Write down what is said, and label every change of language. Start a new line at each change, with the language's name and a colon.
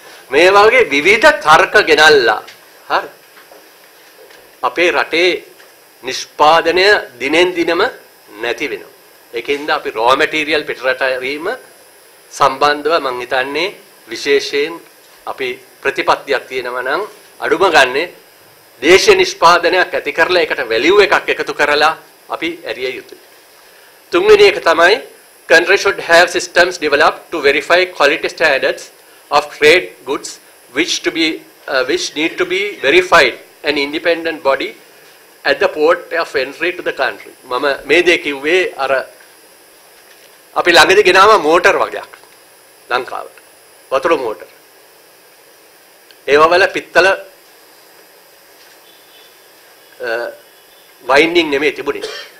Sinhala: මේ වගේ විවිධ තර්ක ගෙනල්ලා හරි අපේ රටේ නිෂ්පාදනය දිනෙන් දිනම නැති වෙනවා. ඒකෙන්ද අපි raw material පිටරට යවීම සම්බන්ධව මම හිතන්නේ විශේෂයෙන් අපි ප්‍රතිපත්තියක් තියෙනවා නම් අඩුම ගන්නේ දේශීය නිෂ්පාදනයක් ඇති කරලා ඒකට value එකක් එකතු කරලා අපි ඇරිය යුතුයි. තුන්වෙනි එක තමයි
English: country should have systems developed to verify quality standards of trade goods which need to be verified an independent body at the port of entry to the country.
Sinhala: මම මේ දේ කිව්වේ අර අපි ළඟදී ගෙනාම මෝටර් වගේක් ලංකාවට වතුර මෝටර්. ඒවවල පිත්තල වයින්ඩින් නෙමෙයි තිබුණේ.